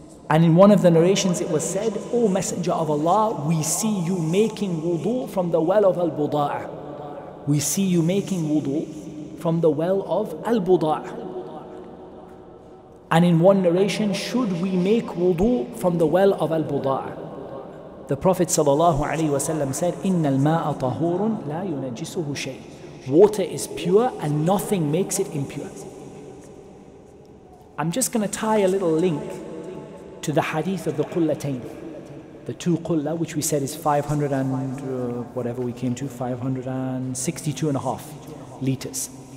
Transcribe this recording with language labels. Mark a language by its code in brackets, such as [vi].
[en] And in one of the narrations it was said, O Messenger of Allah, we see you making wudu from the well of Al-Buda'a. We see you making wudu from the well of Al-Buda'a. And in one narration, should we make wudu from the well of Al-Buda'a? The Prophet ﷺ said, [ar] إِنَّ الْمَاءَ طَهُورٌ لَا يُنَجِّسُهُ شَيْءٍ. [en] Water is pure and nothing makes it impure. I'm just going to tie a little link to the hadith of the Qullatayn, the two Qulla, which we said is 562 and a half. liters.